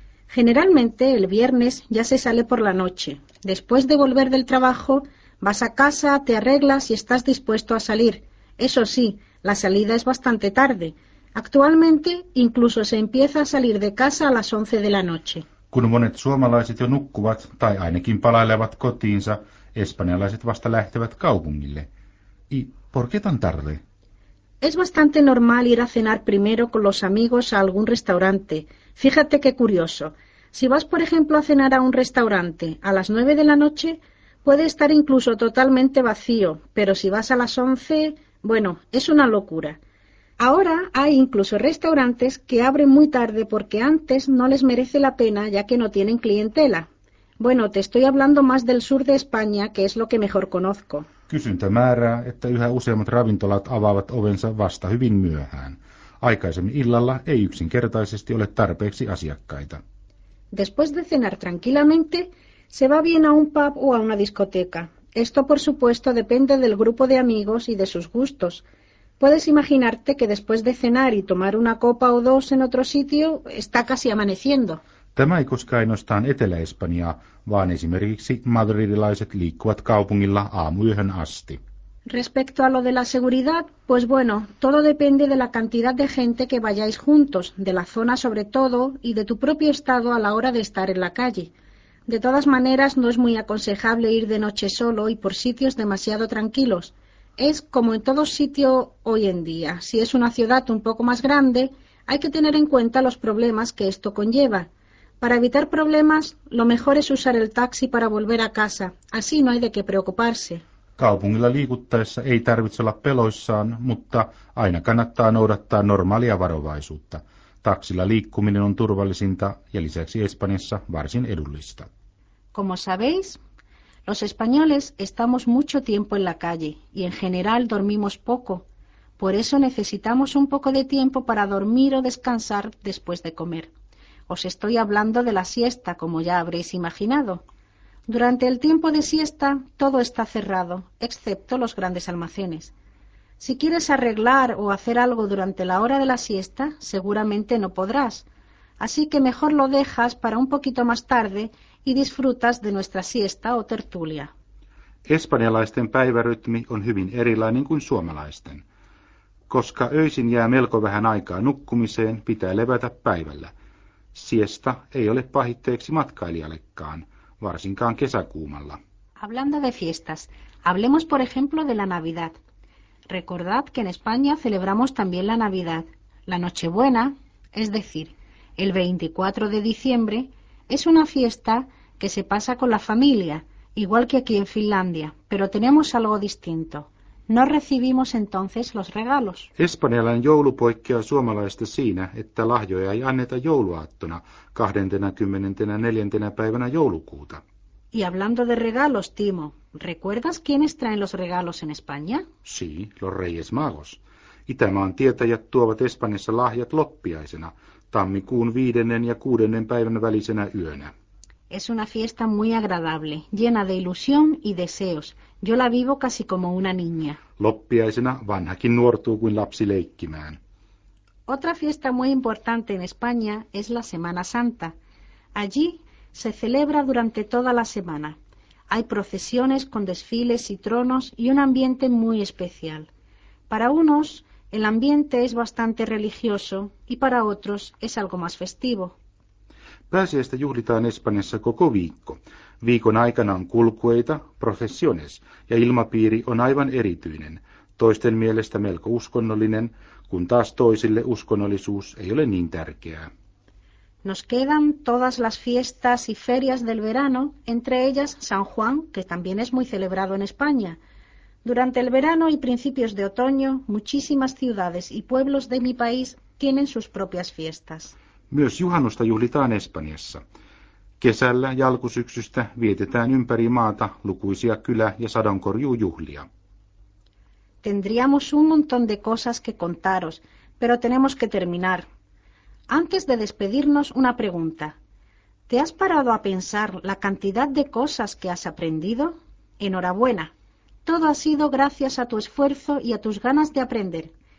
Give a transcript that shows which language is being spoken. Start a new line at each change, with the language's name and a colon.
Spanish: Generalmente el viernes ya se sale por la noche. Después de volver del trabajo, vas a casa, te arreglas y estás dispuesto a salir. Eso sí, la salida es bastante tarde. Actualmente incluso se empieza a salir de casa a las 11 de la noche.
Finnish: Kun monet suomalaiset jo nukkuvat tai ainakin palailevat kotiinsa, espanjalaiset vasta lähtevät kaupungille.
Spanish: ¿Y por qué tan tarde? Es bastante normal ir a cenar primero con los amigos a algún restaurante. Fíjate qué curioso. Si vas, por ejemplo, a cenar a un restaurante a las 9 de la noche, puede estar incluso totalmente vacío, pero si vas a las 11, bueno, es una locura. Ahora hay incluso restaurantes que abren muy tarde porque antes no les merece la pena ya que no tienen clientela. Bueno, te estoy hablando más del sur de España, que es lo que mejor conozco.
Finnish: Kysyntä määrää, että yhä useammat ravintolat avaavat ovensa vasta hyvin myöhään. Aikaisemmin illalla ei yksinkertaisesti ole tarpeeksi asiakkaita.
Spanish: Después de cenar tranquilamente, se va bien a un pub o a una discoteca. Esto, por supuesto, depende del grupo de amigos y de sus gustos. Puedes imaginarte que después de cenar y tomar una copa o dos en otro sitio, está casi amaneciendo.
Finnish: Tämä ei koskaan ainoastaan Etelä-Espanjaa, vaan esimerkiksi madridilaiset liikkuvat kaupungilla aamuyöhön asti.
Spanish: Respecto a lo de la seguridad, pues bueno, todo depende de la cantidad de gente que vayáis juntos, de la zona sobre todo, y de tu propio estado a la hora de estar en la calle. De todas maneras, no es muy aconsejable ir de noche solo y por sitios demasiado tranquilos. Es como en todo sitio hoy en día. Si es una ciudad un poco más grande, hay que tener en cuenta los problemas que esto conlleva. Para evitar problemas, lo mejor es usar el taxi para volver a casa. Así no hay de qué preocuparse.
Finnish: Kaupungilla liikuttaessa ei tarvitse olla peloissaan, mutta aina kannattaa noudattaa normaalia varovaisuutta. Taksilla liikkuminen on turvallisinta ja lisäksi Espanjassa varsin edullista.
Spanish: Como sabéis, los españoles estamos mucho tiempo en la calle y en general dormimos poco. Por eso necesitamos un poco de tiempo para dormir o descansar después de comer. Os estoy hablando de la siesta, como ya habréis imaginado. Durante el tiempo de siesta, todo está cerrado, excepto los grandes almacenes. Si quieres arreglar o hacer algo durante la hora de la siesta, seguramente no podrás. Así que mejor lo dejas para un poquito más tarde y disfrutas de nuestra siesta o tertulia.
Finnish: Espanjalaisten päivärytmi on hyvin erilainen kuin suomalaisten. Koska öisin jää melko vähän aikaa nukkumiseen, pitää levätä päivällä. Siesta ei ole pahitteeksi matkailijallekaan, varsinkaan kesäkuumalla.
Spanish: Hablando de fiestas, hablemos por ejemplo de la Navidad. Recordad que en España celebramos también la Navidad, la Nochebuena, es decir, el 24 de diciembre, es una fiesta que se pasa con la familia, igual que aquí en Finlandia, pero tenemos algo distinto. No recibimos entonces los regalos.
Finnish: Espanjalainen joulu poikkeaa suomalaista siinä, että lahjoja ei anneta jouluaattona 24. päivänä joulukuuta.
Spanish: Y hablando de regalos, Timo, ¿recuerdas quiénes traen los regalos en España? Sí, los Reyes Magos.
Finnish: Itämaan tietäjät tuovat Espanjassa lahjat loppiaisena, tammikuun 5. ja 6. päivän välisenä yönä.
Spanish: Es una fiesta muy agradable, llena de ilusión y deseos. Yo la vivo casi como una niña.
Finnish: Loppiaisena vanhakin nuortuu kuin lapsi leikkimään.
Spanish: Otra fiesta muy importante en España es la Semana Santa. Allí se celebra durante toda la semana. Hay procesiones con desfiles y tronos y un ambiente muy especial. Para unos, el ambiente es bastante religioso y para otros es algo más festivo.
Finnish: Pääsiäistä juhlitaan Espanjassa koko viikko. Viikon aikana on kulkueita, professiones, ja ilmapiiri on aivan erityinen, toisten mielestä melko uskonnollinen, kun taas toisille uskonnollisuus ei ole niin tärkeää.
Spanish: Nos quedan todas las fiestas y ferias del verano, entre ellas San Juan, que también es muy celebrado en España. Durante el verano y principios de otoño, muchísimas ciudades y pueblos de mi país tienen sus propias fiestas.
Finnish: Myös juhannusta juhlitaan Espanjassa. Kesällä ja alkusyksystä vietetään ympäri maata lukuisia kylä- ja sadonkorjuujuhlia.
Spanish: Tendríamos un montón de cosas que contaros, pero tenemos que terminar. Antes de despedirnos, una pregunta. ¿Te has parado a pensar la cantidad de cosas que has aprendido? Enhorabuena. Todo ha sido gracias a tu esfuerzo y a tus ganas de aprender.